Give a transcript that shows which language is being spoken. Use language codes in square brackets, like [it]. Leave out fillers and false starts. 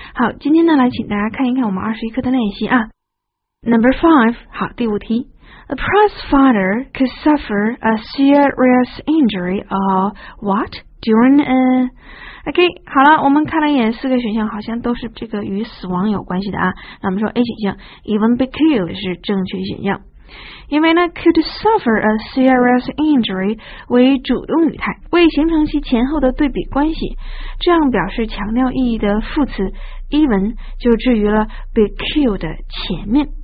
[zh] 好，今天呢，来请大家看一看我们21课的练习啊。 [en] Number 5， [zh] 好，第五题。 [en] A prize fighter could suffer a serious injury or what during a... [zh] OK， 好了，我们看了一眼四个选项，好像都是这个与死亡有关系的啊。那我们说 A 选项 [en] even be killed [zh] 是正确选项。因为呢 [en] could suffer a serious injury [zh] 为主动语态，为形成其前后的对比关系，这样表示强调意义的副词 even 就置于了 be killed 的前面。